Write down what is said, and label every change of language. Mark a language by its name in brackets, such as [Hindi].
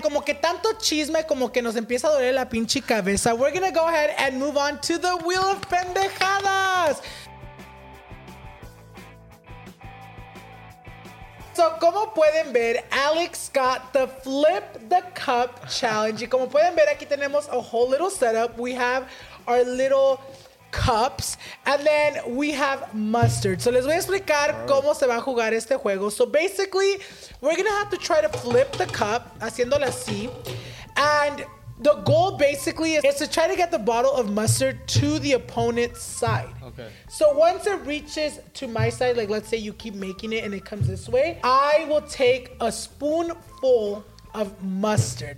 [Spanish] Como que tanto chisme como que nos empieza a doler la pinche cabeza. [English] We're going to go ahead and move on to the Wheel of Pendejadas. So, [Spanish] como pueden ver, [English] Alex got the Flip the Cup Challenge. [Spanish] Y como pueden ver, aquí tenemos [English] a whole little setup. We have our little cups, and then we have mustard. [Spanish] So, les voy a explicar cómo se va a jugar este juego. [English] So, basically, we're going to have to try to flip the cup, [Spanish] haciéndola así. [English] And the goal, basically, is to try to get the bottle of mustard to the opponent's side. Okay. So once it reaches to my side, like let's say you keep making it and it comes this way, I will take a spoonful of mustard.